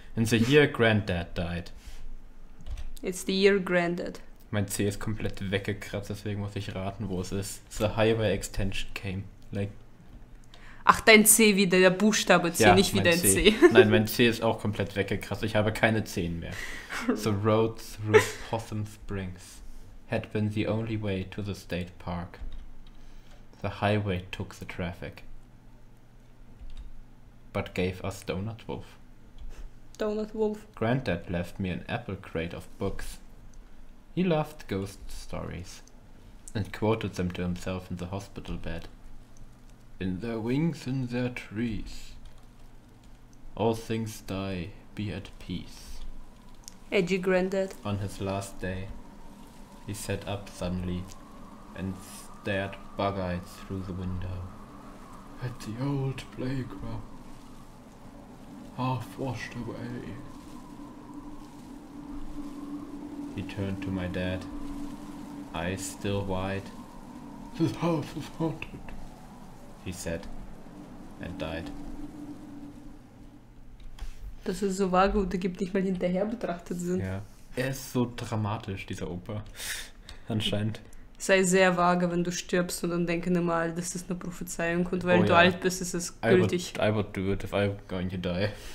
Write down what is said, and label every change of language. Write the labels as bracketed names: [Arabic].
[English] In the year Granddad died. It's the year Granddad. [German] Mein C ist komplett weggekratzt, deswegen muss ich raten, wo es ist. [English] The Highway Extension came. Like. [German] Ach, dein C wieder, der Buchstabe C, ja, nicht wie dein C. Nein, mein C ist auch komplett weggekratzt, ich habe keine Zehen mehr. [English] The road through Possum Springs had been the only way to the state park. The highway took the traffic, but gave us Donut Wolf. Donut Wolf. Granddad left me an apple crate of books. He loved ghost stories and quoted them to himself in the hospital bed. In their wings, in their trees, all things die, be at peace. Edgy Granddad. On his last day, he sat up suddenly and stared bug-eyed through the window at the old playground, half washed away. He turned to my dad, eyes still wide. "This house is haunted," he said, and died. [German] Das ist so vage und ergibt nicht mal hinterher betrachtet Sinn. Ja. Er ist so dramatisch, dieser Opa. Anscheinend. Sei sehr vage, wenn du stirbst und dann denke nur mal, das ist eine Prophezeiung und weil oh, du ja. alt bist, ist es gültig. [English] I would do it if I'm going to die.